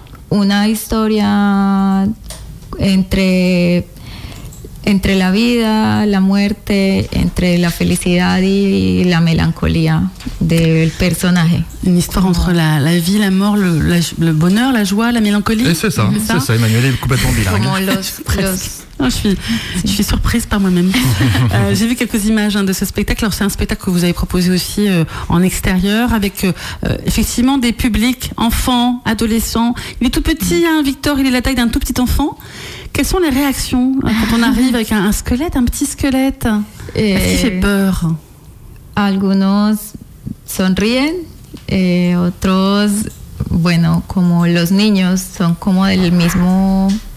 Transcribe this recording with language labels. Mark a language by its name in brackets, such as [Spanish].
[Spanish] Una historia entre la vida, la muerte, entre la felicidad y la melancolía del personaje. [French] Une histoire entre la vie, la mort, le bonheur, la joie, la mélancolie. Et c'est ça, Emmanuel est complètement bilingue. Je suis surprise par moi-même. J'ai vu quelques images de ce spectacle. Alors, c'est un spectacle que vous avez proposé aussi en extérieur, avec effectivement des publics, enfants, adolescents. Il est tout petit, Victor, il est la taille d'un tout petit enfant. Quelles sont les réactions quand on arrive avec un squelette, un petit squelette? Est-ce qu'il fait peur? [Spanish] Algunos sonríen. Et otros, bueno, como los niños, son como del mismo